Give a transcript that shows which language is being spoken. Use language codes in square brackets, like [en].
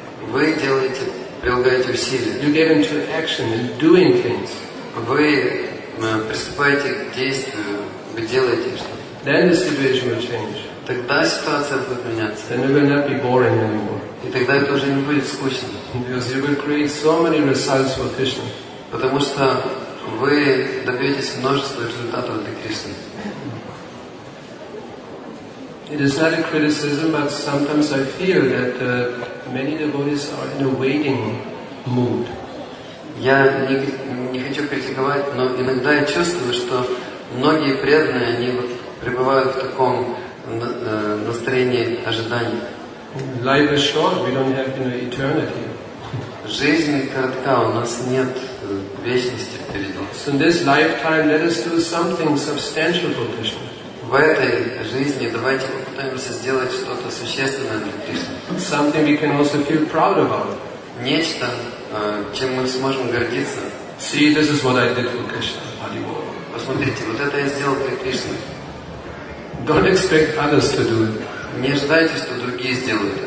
[ru] вы делаете, прилагаете усилия, [en] you get into action and doing things, [ru] вы приступаете к действию, вы делаете что-то, [en] then the situation will change. [ru] Тогда ситуация будет меняться. [en] Then it will not be boring anymore. [ru] И тогда это уже не будет скучно. [en] Because you will create so many results for Krishna. [ru] Потому что вы добьетесь множества результатов для Кришны. [en] It is not a criticism, but sometimes I feel that many devotees are in a waiting mood. [ru] Я не хочу критиковать, но иногда я чувствую, что многие преданные, они вот пребывают в таком настроении ожидания. [en] Life is short, we don't have eternity. [ru] Жизнь коротка, у нас нет вечности впереди. [en] So in this lifetime, let us do something substantial for Krishna. [ru] В этой жизни давайте попытаемся сделать что-то существенное для Кришны. [en] Something we can also feel proud about. [ru] Нечто, чем мы сможем гордиться. [en] See, this is what I did for Krishna. [ru] Посмотрите, вот это я сделал для Кришны. [en] Don't expect others to do it. [ru] Не ожидайте, что другие сделают.